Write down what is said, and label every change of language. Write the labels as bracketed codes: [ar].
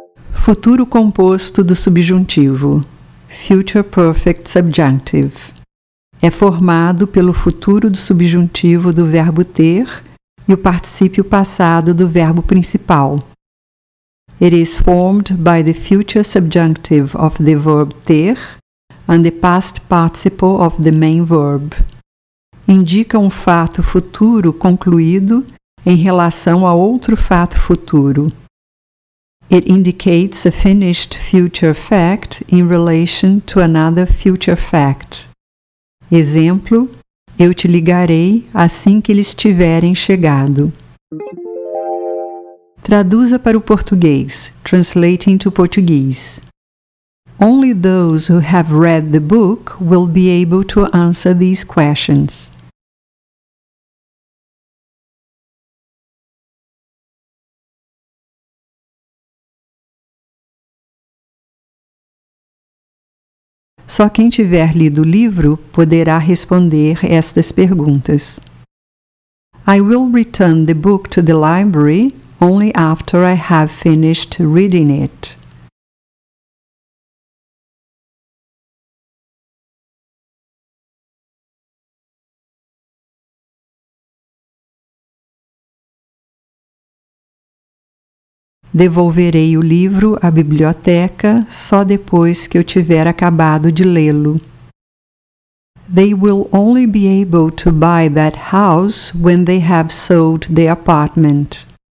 [pt] Futuro composto do subjuntivo. [en] Future Perfect Subjunctive. [pt] É formado pelo futuro do subjuntivo do verbo ter e o particípio passado do verbo principal. [en] It is formed by the future subjunctive of the verb ter and the past participle of the main verb. [pt] Indica um fato futuro concluído em relação a outro fato futuro. [en] It indicates a finished future fact in relation to another future fact. [pt] Exemplo, eu te ligarei assim que eles tiverem chegado. Traduza para o português. [en] Translate into Portuguese. Only those who have read the book will be able to answer these questions. [pt] Só quem tiver lido o livro poderá responder estas perguntas. [en] I will return the book to the library only after I have finished reading it. [pt] Devolverei o livro à biblioteca só depois que eu tiver acabado de lê-lo. [en] They will only be able to buy that house when they have sold the apartment.